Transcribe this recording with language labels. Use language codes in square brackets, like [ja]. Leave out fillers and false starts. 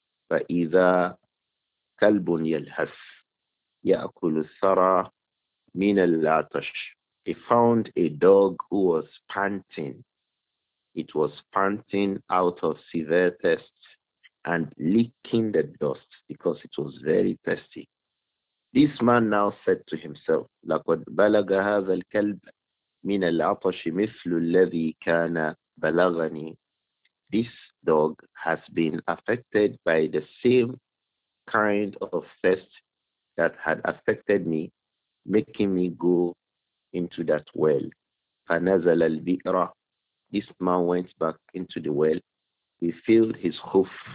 [ar] فَإِذَا كَلْبٌ يَلْهَثْ يَأْكُلُ الثَّرَى مِنَ الْعَطَشِ. [en] He found a dog who was panting. It was panting out of severe thirst and licking the dust because it was very thirsty. This man now said to himself, [ar] لَقَدْ بَلَغَ هَذَا الْكَلْبَ مِنَ الْعَطَشِ مِثْلُ الَّذِي كَانَ بَلَغَنِي. [en] This dog has been affected by the same kind of thirst that had affected me, making me go into that well. [ar] فَنَزَلَ الْبِئْرَ. [en] This man went back into the well. He filled his hoof.